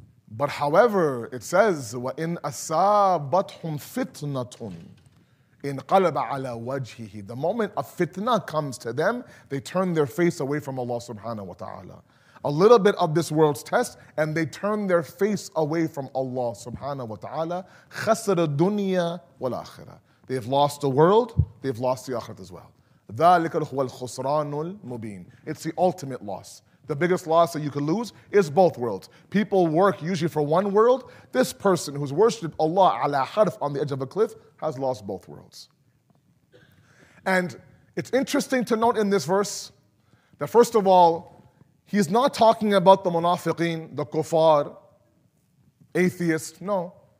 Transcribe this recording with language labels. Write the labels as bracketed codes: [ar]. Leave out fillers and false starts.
[ar] But however, it says, وَإِنْ أَصَابَتْهُمْ فِتْنَةٌ انقلب على وجهه. [en] The moment a fitna comes to them, they turn their face away from Allah subhanahu wa ta'ala. A little bit of this world's test, and they turn their face away from Allah subhanahu wa ta'ala. [ar] خسر الدنيا والآخرة. [en] They've lost the world, they've lost the akhirah as well. [ar] ذلك هو الخسران المبين. [en] It's the ultimate loss. The biggest loss that you can lose is both worlds. People work usually for one world. This person who's worshipped Allah ala harf on the edge of a cliff has lost both worlds. And it's interesting to note in this verse that first of all, he's not talking about the munafiqeen, the kuffar, atheists, no.